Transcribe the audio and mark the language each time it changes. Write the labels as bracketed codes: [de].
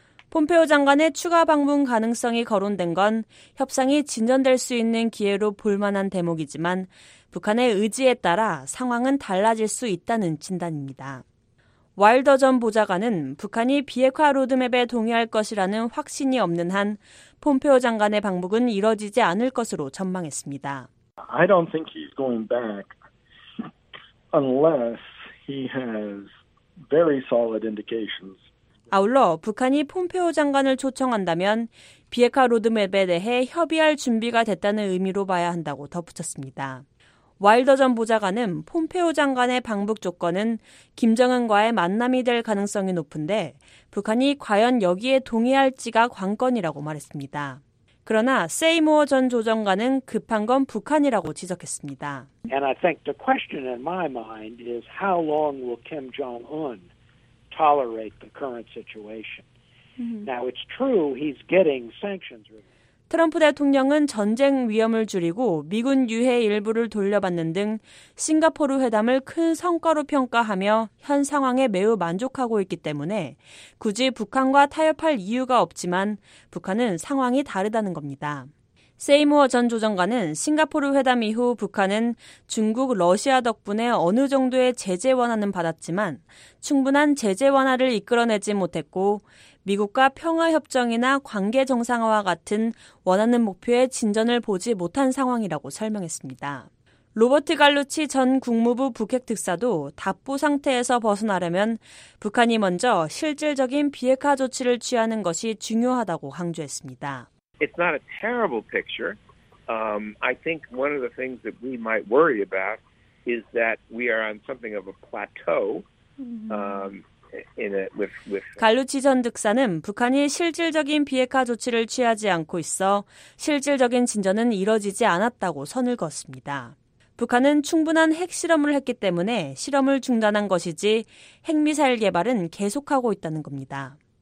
[ko] 폼페오 장관의 추가 방문 가능성이 거론된 건 협상이 진전될 수 있는 기회로 볼만한 대목이지만 북한의 의지에 따라 상황은 달라질 수 있다는 진단입니다. 와일더 전 보좌관은 북한이 비핵화 로드맵에 동의할 것이라는 확신이 없는 한 폼페오 장관의 방북은 이뤄지지 않을 것으로 전망했습니다. [en] I don't think he's going back unless he has very solid indications. [ko] 아울러 북한이 폼페오 장관을 초청한다면 비핵화 로드맵에 대해 협의할 준비가 됐다는 의미로 봐야 한다고 덧붙였습니다. 와일더 전 보좌관은 폼페오 장관의 방북 조건은 김정은과의 만남이 될 가능성이 높은데 북한이 과연 여기에 동의할지가 관건이라고 말했습니다. 그러나 세이모어 전 조정관은 급한 건 북한이라고 지적했습니다. [en] And I think the question in my mind is how long will Kim Jong-un tolerate the current situation. Now it's true he's getting sanctions. [ko] 트럼프 대통령은 전쟁 위험을 줄이고 미군 유해 일부를 돌려받는 등 싱가포르 회담을 큰 성과로 평가하며 현 상황에 매우 만족하고 있기 때문에 굳이 북한과 타협할 이유가 없지만 북한은 상황이 다르다는 겁니다. 세이모어 전 조정관은 싱가포르 회담 이후 북한은 중국, 러시아 덕분에 어느 정도의 제재 완화는 받았지만 충분한 제재 완화를 이끌어내지 못했고 미국과 평화협정이나 관계 정상화와 같은 원하는 목표의 진전을 보지 못한 상황이라고 설명했습니다. 로버트 갈루치 전 국무부 북핵특사도 답보 상태에서 벗어나려면 북한이 먼저 실질적인 비핵화 조치를 취하는 것이 중요하다고 강조했습니다. [en] It's not a terrible picture, I think one of the things that we might worry about is that we are on something of a plateau. With [ko] 갈루치 전 특사는 북한이 실질적인 비핵화 조치를 취하지 않고 있어 실질적인 진전은 이뤄지지 않았다고 선을 그었습니다. 북한은 충분한 핵실험을 했기 때문에 실험을 중단한 것이지 핵미사일 개발은 계속하고 있다는 겁니다.